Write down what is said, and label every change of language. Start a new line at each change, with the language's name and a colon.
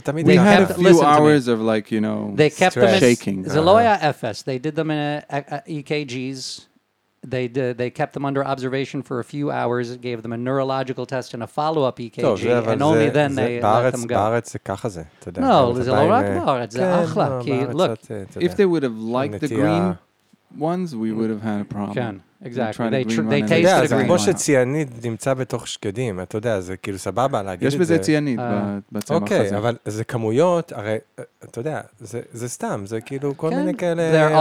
English: we had a few hours of like, you know, they kept stress. Them shaking. Zaloya FS, they did them in EKGs. They kept them under observation for a few hours, gave them a neurological test and a follow-up EKG, and only then they let them go.
Hebrew: בארץ זה ככה זה, אתה יודע. No, זה לא רק בארץ, זה אחלה, כי look,
English: if they would have liked the green ones, we would have had a problem. כן. Exactly. They taste the green.
Hebrew: זה כמו שציאניד נמצא בתוך שקדים, אתה יודע, זה כאילו סבבה להגיד את זה. יש בזה ציאניד בצמח הזה. אוקיי, אבל זה כמויות, הרי, אתה יודע, זה סתם, זה כאילו כל מיני כאלה